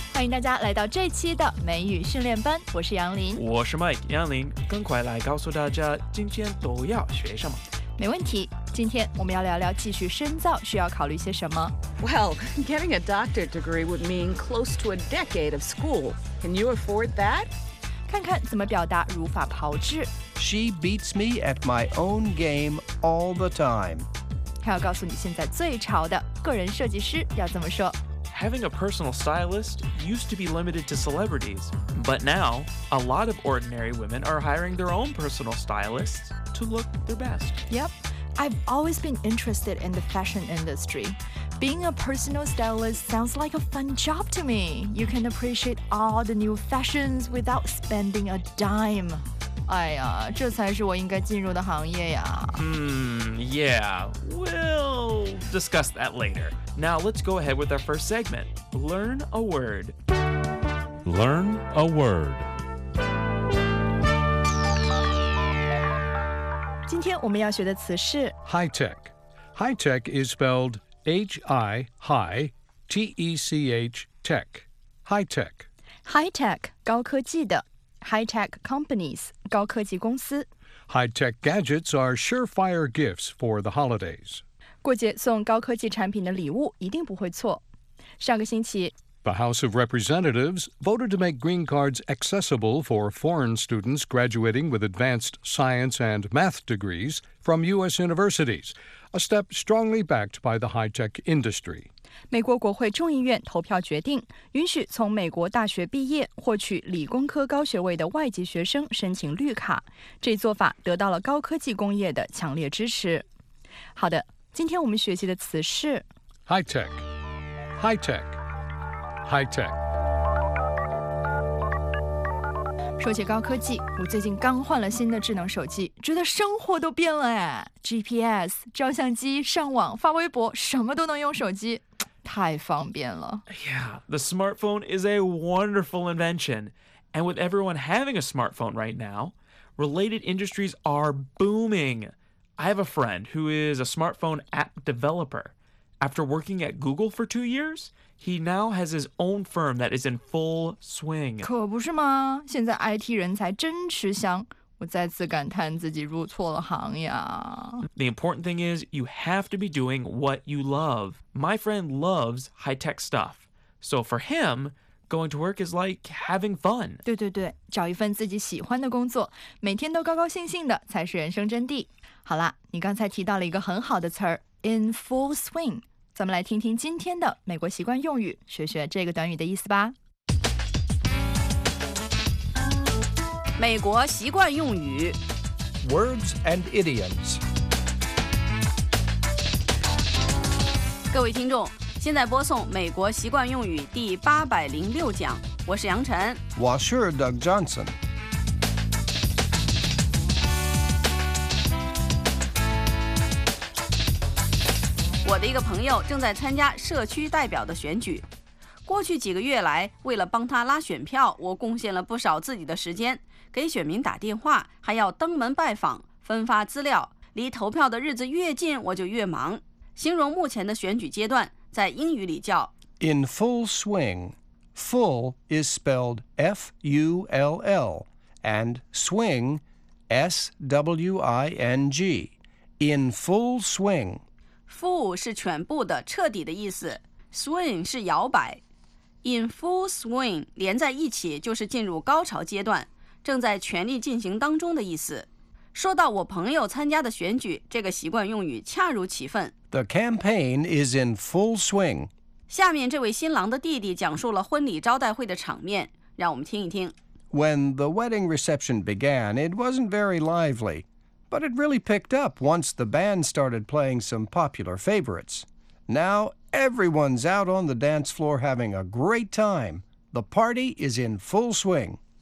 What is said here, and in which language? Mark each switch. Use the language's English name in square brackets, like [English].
[Chinese] 大家来到这期的美语训练班，我是杨林，我是 Mike 杨林，更快来告诉大家今天都要学什么。没问题，今天我们要聊聊继续深造需要考虑些什么。 [English] Well, getting a doctorate degree would mean close to a decade of school. Can you afford that? [Chinese] 看看怎么表达如法炮制。 [English] She beats me at my own game all the time. [Chinese] 还要告诉你现在最潮的个人设计师要怎么说。 [English] Having a personal stylist used to be limited to celebrities, but now, a lot of ordinary women are hiring their own personal stylists to look their best. Yep, I've always been interested in the fashion industry. Being a personal stylist sounds like a fun job to me. You can appreciate all the new fashions without spending a dime. [Chinese] 哎呀，这才是我应该进入的行业呀。 [English] Yeah, we'll discuss that later. Now let's go ahead with our first segment, Learn a Word. Learn a Word. [Chinese] 今天我们要学的词是 [English] High Tech. High Tech is spelled H-I-H-T-E-C-H, Tech. High Tech. [Chinese] High Tech, 高科技的。 High Tech Companies, 高科技公司。 [English] High Tech Gadgets are surefire gifts for the holidays. [Chinese] 过节送高科技产品的礼物一定不会错。上个星期 [English] The House of Representatives voted to make green cards accessible for foreign students graduating with advanced science and math degrees from U.S. universities, a step strongly backed by the high-tech industry. [Chinese] 美国国会众议院投票决定允许从美国大学毕业获取理工科高学位的外籍学生申请绿卡。这做法得到了高科技工业的强烈支持。好的。今天我们学习的词是 [English] high tech, high tech, high tech. [Chinese] 说起高科技，我最近刚换了新的智能手机，觉得生活都变了哎。 GPS、照相机、上网、发微博，什么都能用手机，太方便了。 [English] Yeah, the smartphone is a wonderful invention, and with everyone having a smartphone right now, related industries are booming. I have a friend who is a smartphone app developer. After working at Google for 2 years, he now has his own firm that is in full swing. [Chinese] 可不是吗？现在 IT 人才真吃香。我再次感叹自己入错了行呀。 [English] The important thing is you have to be doing what you love. My friend loves high-tech stuff. So for him... Going to work is like having fun. [Chinese] 对对对，找一份自己喜欢的工作，每天都高高兴兴的才是人生真谛。好了，你刚才提到了一个很好的词 in full swing. 咱们来听听今天的美国习惯用语，学学这个短语的意思吧。美国习惯用语 [English] Words and idioms. [Chinese] 各位听众现在播送美国习惯用语第806讲，我是杨晨。我是 Doug Johnson。我的一个朋友正在参加社区代表的选举。过去几个月来，为了帮他拉选票，我贡献了不少自己的时间，给选民打电话，还要登门拜访，分发资料。离投票的日子越近，我就越忙。形容目前的选举阶段在英语里叫 [English] In full swing. Full is spelled F-U-L-L and swing S-W-I-N-G. In full swing. [Chinese] Full 是全部的、彻底的意思。 Swing 是摇摆。 In full swing 连在一起就是进入高潮阶段，正在全力进行当中的意思。说到我朋友参加的选举，这个习惯用语恰如其分。 [English] The campaign is in full swing. [Chinese] 下面这位新郎的弟弟讲述了婚礼招待会的场面，让我们听一听。 [English] When the wedding reception began, it wasn't very lively, but it really picked up once the band started playing some popular favorites. Now everyone's out on the dance floor having a great time. The party is in full swing.